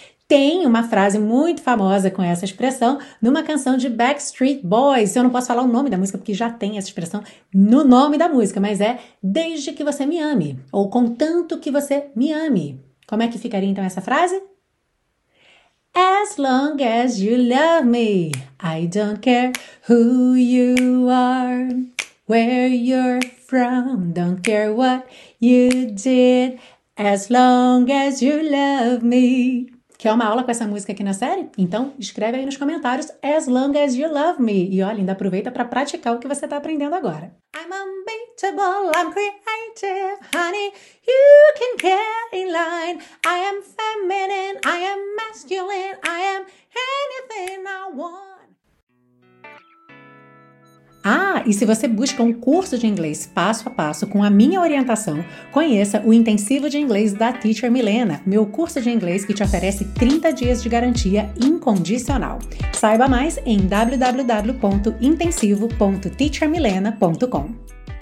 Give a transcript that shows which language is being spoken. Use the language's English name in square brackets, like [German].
[Portuguese] Tem uma frase muito famosa com essa expressão numa canção de Backstreet Boys. Eu não posso falar o nome da música porque já tem essa expressão no nome da música, mas é desde que você me ame ou contanto que você me ame. Como é que ficaria então essa frase? [English] As long as you love me, I don't care who you are, where you're from, don't care what you did, as long as you love me. [Portuguese] Quer uma aula com essa música aqui na série? Então, escreve aí nos comentários As Long As You Love Me. E olha, ainda aproveita para praticar o que você está aprendendo agora. [English] I'm unbeatable, I'm creative, honey, you can get in line. I am feminine, I am masculine, I am anything I want. [Portuguese] Ah, e se você busca um curso de inglês passo a passo com a minha orientação, conheça o Intensivo de Inglês da Teacher Milena, meu curso de inglês que te oferece 30 dias de garantia incondicional. Saiba mais em www.intensivo.teachermilena.com.